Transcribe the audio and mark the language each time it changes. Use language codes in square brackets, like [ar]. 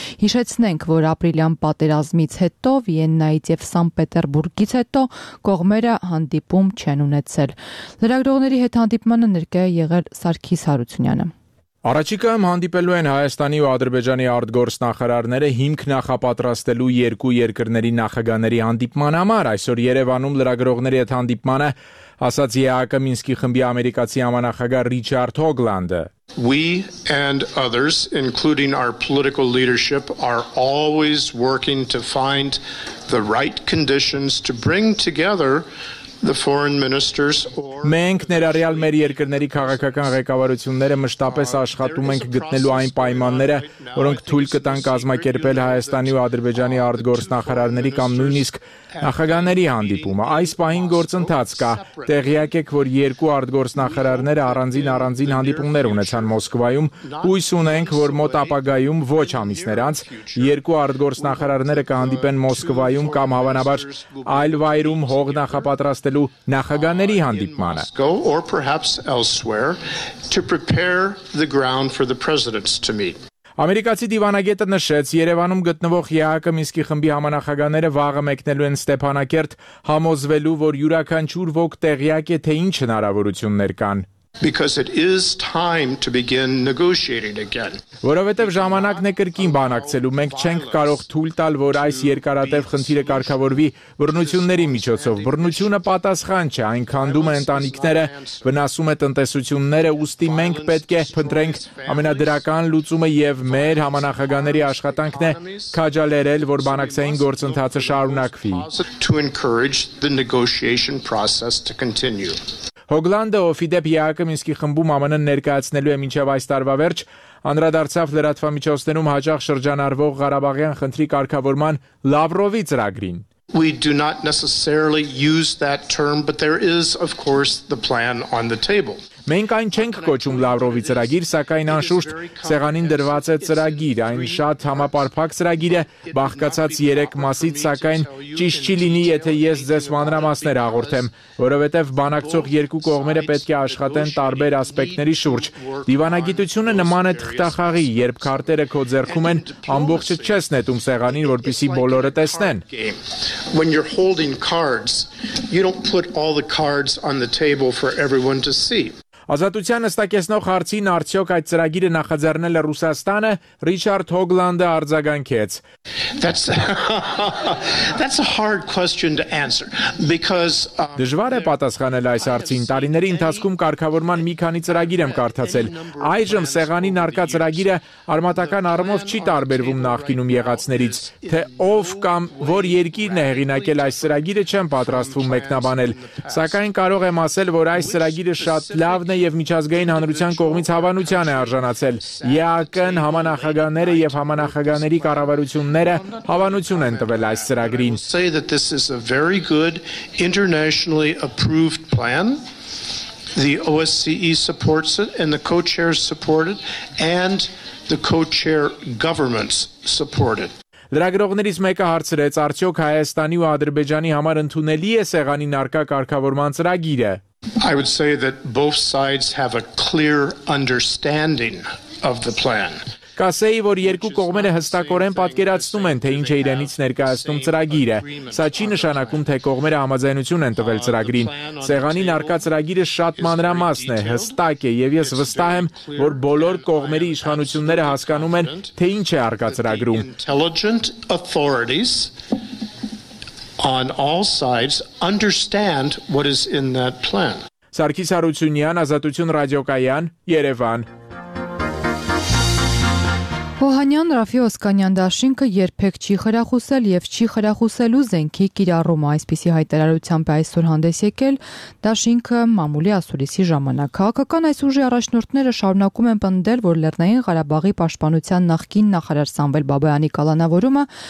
[hy] Հիշեցնենք, որ ապրիլյան պատերազմից հետո Վիեննայից և Սանպետերբուրգից հետո կողմերը հանդիպում չեն ունեցել։ Լրագրողների հետ հանդիպմանը ներկայ է եղել Սարգիս Հարությունյանը։ Առաջիկայում հանդիպելու են Հայաստանի ու Ադրբեջանի արտգործնախարարները հիմք նախապատրաստելու երկու երկրների նախագահների հանդիպման համար։ Այսօր Երևանում լրագրողների հետ հանդիպմանը ասաց ԵԱՀԿ Մինսկի խմբի ամերիկացի համանախագահ Ռիչարդ Հոգլանդը։ [en] We and others, including our political leadership, are always working to find the right conditions to bring together [hy] Մենք ներառյալ մեր երկրների քաղաքական ղեկավարությունները մշտապես աշխատում ենք գտնելու այն պայմանները, որոնք թույլ կտան կազմակերպել Հայաստանի ու Ադրբեջանի արտգործնախարարների կամ նույնիսկ նախագահների հանդիպումը։ Այս պահին գործընթաց կա։ Տեղյակ եք, որ երկու արտգործնախարարները առանձին-առանձին հանդիպումներ ունեցան Մոսկվայում։ Հույս ունենք, որ մոտ ապագայում, ոչ ամիսներ անց, երկու արտգործնախարարները կհանդիպեն Մոսկվայում կամ հավանաբար այլ վայրում հող նախապատրաստ ստելու նախագաների հանդիպմանը [en] or perhaps elsewhere to prepare the ground for the presidents to meet. [hy] Ամերիկացի դիվանագետը նշեց, Երևանում գտնվող ԵԱԿ-ի Մինսկի խմբի համանախագաները վաղը մեկնելու են Ստեփանակերտ, համոզվելու, որ յուրաքանչյուր ոք տեղյակ է, թե ինչ հնարավորություններ կան. [en] Because it is time to begin negotiating again. [hy] Որովհետև ժամանակն է կրկին բանակցելու, մենք չենք կարող թույլ տալ, որ այս երկարատև խնդիրը կարգավորվի բռնությունների միջոցով։ Բռնությունը պատասխան չէ, այն քանդում է ընտանիքները, վնասում է տնտեսությունները, ուստի մենք պետք է փնտրենք ամենադրական լուծումը եւ մեր համանախագաների աշխատանքն է քաջալերել, որ բանակցային գործընթացը շարունակվի։ [en] To encourage the negotiation process to continue. [hy] Հոգլանդը, ով իդեպ ԵԱԿ-ի Մինսկի խմբում ԱՄՆ-ն ներկայացնելու է մինչև այս տարվա վերջ, անդրադարձավ լրատվամիջոցներում հաջող շրջանառվող Ղարաբաղյան խնդրի կարգավորման Լավրովի ծրագրին։ [en] We do not necessarily use that term, but there is, of course, the plan on the table. [hy] Մենք այն չենք կոչում Լավրովի ծրագիր, սակայն անշուշտ սեղանին դրված է ծրագիր, այն շատ համապարփակ ծրագիր է, բաղկացած 3 մասից, սակայն ճիշտ չի լինի, եթե ես ձեզ մանրամասներ հաղորդեմ, որովհետև բանակցող երկու կողմերը պետք է աշխատեն տարբեր ասպեկտների շուրջ։ Դիվանագիտությունը նման է թղթախաղի, երբ քարտերը քո ձեռքում են, ամբողջը չես նետում սեղանին, որպեսզի բոլորը տեսնեն։ [en] When you're holding cards, you don't put all the cards on the table for everyone to see. [hy] Ազատության նստակեցնող հարցին արդյոք այդ ծրագիրը նախաձեռնել է Ռուսաստանը, Ռիչարդ Հոգլանդը արձագանքեց. [en] That's a hard question to answer because [hy] դժվար է պատասխանել այս հարցին։ Տարիների ընթացքում կարգավորման մի քանի ծրագիր եմ կարդացել։ Այժմ սեղանի նարկա ծրագիրը արմատական առումով չի տարբերվում նախկինում եղածներից, թե ով կամ որ երկիրն է հեղինակել այս ծրագիրը, չեմ պատրաստվում մեկնաբանել, սակայն կարող եմ ասել, որ այս ծրագիրը շատ լավ և միջազգային հանրության կողմից հավանության է արժանացել։ ԵԱԿ-ն, համանախագահները եւ համանախագահների կառավարությունները հավանություն են տվել այս ծրագրին։ [en] Say that this is a very good internationally approved plan. The OSCE supports it and the co-chairs support it and the co-chair governments support it. [hy] Լրագրողներից մեկը հարցրեց, արդյոք Հայաստանի ու Ադրբեջանի համար ընդունելի է սեղանի նարկա կարգավորման ծրագիրը։ [en] I would say that both sides have a clear understanding of the plan. [hy] Կասեի, որ երկու կողմերը հստակորեն պատկերացնում են, թե ինչ է իրենից ներկայացնում ծրագիրը։ Սա չի նշանակում, թե կողմերը համաձայնություն են տվել ծրագրին։ Սեղանի նարկա ծրագիրը շատ մանրամասն է, հստակ է, եւ ես վստահ եմ, որ բոլոր կողմերի իշխանությունները հասկանում են, թե ինչ է արկա ծրագրում։ [en] On all sides understand what is in that plan. [hy] Սարգիս Հարությունյան, Ազատություն Ռադիոկայան, Երևան։ Հոհանյան Ռաֆի Օսկանյան դաշինքը երբեք չի խրախուսել եւ չի խրախուսելու զենքի կիրառումը, այսպիսի հայտարարությամբ այսօր հանդես եկել դաշինքը մամուլի ասուլիսի ժամանակ։ Քաղաքական այս ուժի առաջնորդները շարունակում են պնդել, որ Լեռնային Ղարաբաղի պաշտպանության նախկին նախարար Սամվել Բաբայանի կալանավորումը